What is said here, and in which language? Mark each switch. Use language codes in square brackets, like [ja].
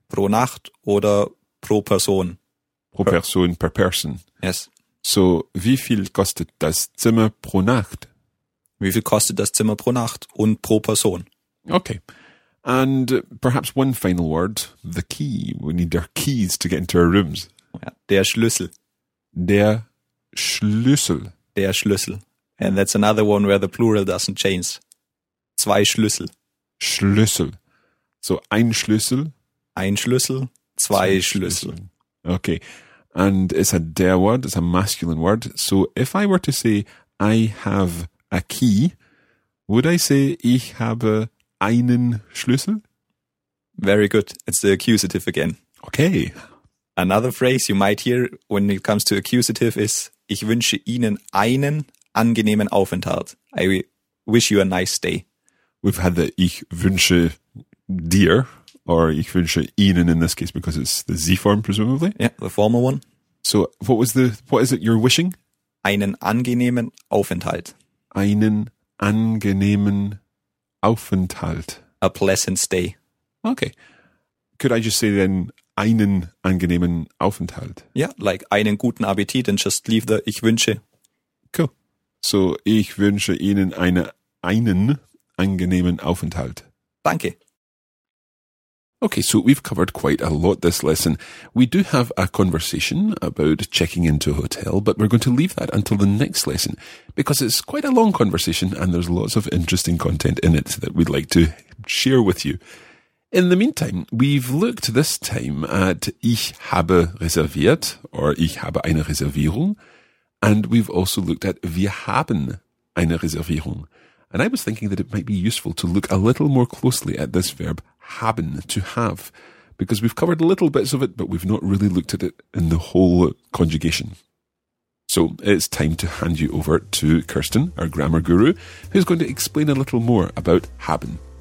[de] Pro Nacht oder pro Person. Pro Person, [en] per person. Yes. [de] So, wie viel kostet das Zimmer pro Nacht? Wie viel kostet das Zimmer pro Nacht und pro Person? [en] Okay. And perhaps one final word, the key. We need our keys to get into our rooms. [de] Der Schlüssel. Der Schlüssel. Der Schlüssel. [en] And that's another one where the plural doesn't change. [de] Zwei Schlüssel. Schlüssel. So ein Schlüssel. Ein Schlüssel. Zwei Schlüssel. [en] Okay. And it's a der word, it's a masculine word. So if I were to say, I have a key, would I say, [de] ich habe einen Schlüssel? [en] Very good. It's the accusative again. Okay. Another phrase you might hear when it comes to accusative is, [de] ich wünsche Ihnen einen angenehmen Aufenthalt. [en] I wish you a nice day. We've had the [de] ich wünsche dir, [en] or [de] ich wünsche Ihnen [en] in this case, because it's the Z form, presumably. Yeah, the formal one. So what is it you're wishing? [de] Einen angenehmen Aufenthalt. Einen angenehmen Aufenthalt. [en] A pleasant stay. Okay. Could I just say then, [de] einen angenehmen Aufenthalt? [en] Yeah, like [de] einen guten Appetit [en] and just leave the [de] ich wünsche. [en] Cool. [de] So ich wünsche Ihnen einen angenehmen Aufenthalt. Danke. [en] Okay, so we've covered quite a lot this lesson. We do have a conversation about checking into a hotel, but we're going to leave that until the next lesson because it's quite a long conversation and there's lots of interesting content in it that we'd like to share with you. In the meantime, we've looked this time at [de] ich habe reserviert [en] or [de] ich habe eine Reservierung, [en] and we've also looked at [de] wir haben eine Reservierung. [en] And I was thinking that it might be useful to look a little more closely at this verb haben, to have, because we've covered little bits of it, but we've not really looked at it in the whole conjugation. So it's time to hand you over to Kirsten, our grammar guru, who's going to explain a little more about haben.